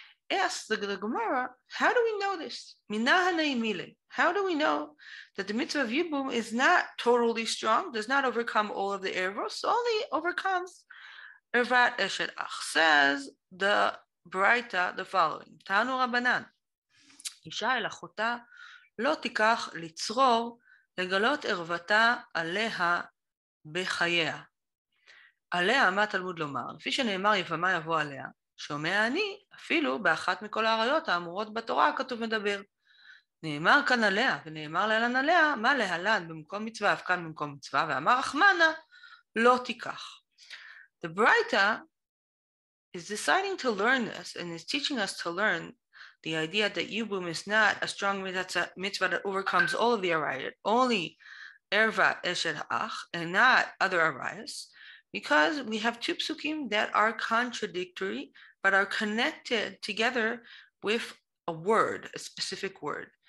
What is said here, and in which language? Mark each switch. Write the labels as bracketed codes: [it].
[en] Ask the Gemara, how do we know this? How do we know that the mitzvah of yibum is not totally strong, does not overcome all of the ervos, only overcomes ervat eshet ach? Says the Braita the following, Tanu Rabbanan. [he] אישה אל אחותה לא תיקח לצרור לגלות ערוותה עליה בחייה. עליה, מה תלמוד לומר? לפי שנאמר יבמה יבוא עליה, שומע אני אפילו באחת מכל העריות האמורות בתורה הכתוב מדבר. נאמר כאן עליה ונאמר להלן עליה, מה להלן במקום מצווה, אף כאן במקום מצווה, ואמר רחמנה, לא תיקח. [en] The Braita is deciding to learn this and is teaching us to learn the idea that Yibum is not a strong mitzvah that overcomes all of the arayot, only erva eshet ach, and not other arayos, because we have two psukim that are contradictory, but are connected together with a word, a specific word.